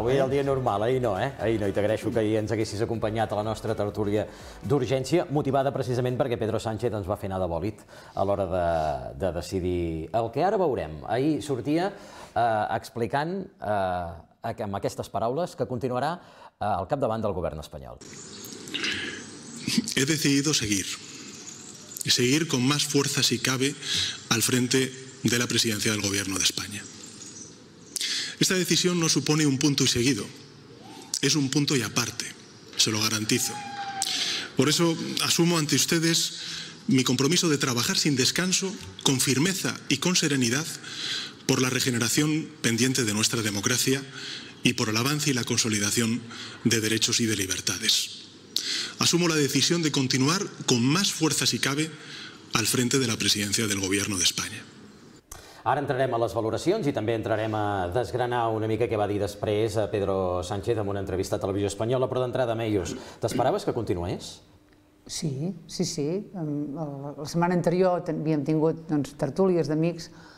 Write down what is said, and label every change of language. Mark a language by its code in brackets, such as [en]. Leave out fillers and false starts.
[ca] Avui era el dia normal, ahir no, Ahir no, i t'agraeixo que ahir ens haguessis acompanyat a la nostra tertúlia d'urgència, motivada precisament perquè Pedro Sánchez ens va fer anar de bòlit a l'hora de decidir el que ara veurem. Ahir sortia explicant amb aquestes paraules que continuarà al capdavant del govern espanyol. [es] He decidido seguir, y seguir con más fuerza si cabe al frente de la presidencia del gobierno de España. Esta decisión no supone un punto y seguido, es un punto y aparte, se lo garantizo. Por eso asumo ante ustedes mi compromiso de trabajar sin descanso, con firmeza y con serenidad, por la regeneración pendiente de nuestra democracia y por el avance y la consolidación de derechos y de libertades. Asumo la decisión de continuar con más fuerza si cabe al frente de la presidencia del gobierno de España. [ca] Ara entrarem a les valoracions i també entrarem a desgranar una mica què va dir després a Pedro Sánchez en una entrevista a Televisió Espanyola, però d'entrada, Meius, t'esperaves que continués? Sí, sí, sí. La setmana anterior havíem tingut doncs, tertúlies d'amics.